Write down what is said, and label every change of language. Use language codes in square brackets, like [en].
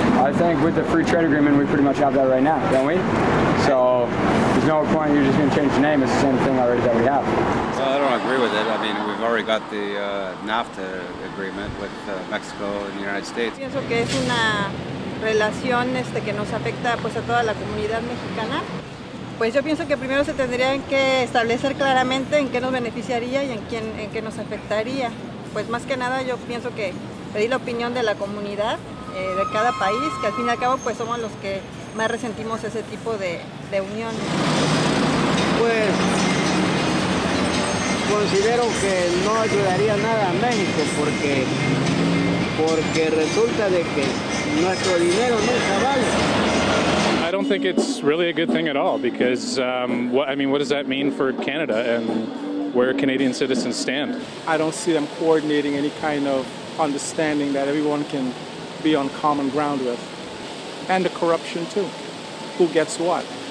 [en] I think with the free trade agreement, we pretty much have that right now, don't we? So there's no point, you're just going to change the name. It's the same thing already that we have. Well, I don't agree with it. I mean, we've already got the NAFTA agreement with Mexico and the United States. [es] Pues yo pienso que primero se tendrían que establecer claramente en qué nos beneficiaría y en qué nos afectaría. Pues más que nada yo pienso que pedir la opinión de la comunidad de cada país, que al fin y al cabo pues somos los que más resentimos ese tipo de unión. Pues considero que no ayudaría nada a México porque resulta de que nuestro dinero no está vale. [en] I don't think it's really a good thing at all, because what does that mean for Canada and where Canadian citizens stand? I don't see them coordinating any kind of understanding that everyone can be on common ground with, and the corruption too. Who gets what?